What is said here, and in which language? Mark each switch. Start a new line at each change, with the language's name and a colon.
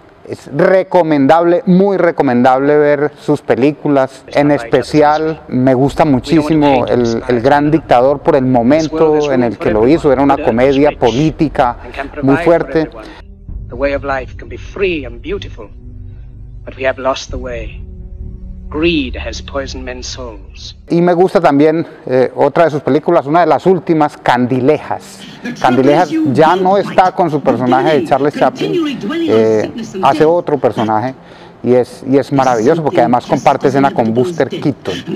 Spanish: Es recomendable, muy recomendable ver sus películas. En especial, me gusta muchísimo el Gran Dictador por el momento en el que lo hizo. Era una comedia política muy fuerte.
English: The way of life can be free and beautiful, but we have lost the way. Greed has poisoned men's souls.
Spanish: Y me gusta también otra de sus películas, una de las últimas, Candilejas. Candilejas ya no está con su personaje de Charles Chaplin, hace otro personaje y es maravilloso porque además comparte escena con Buster Keaton.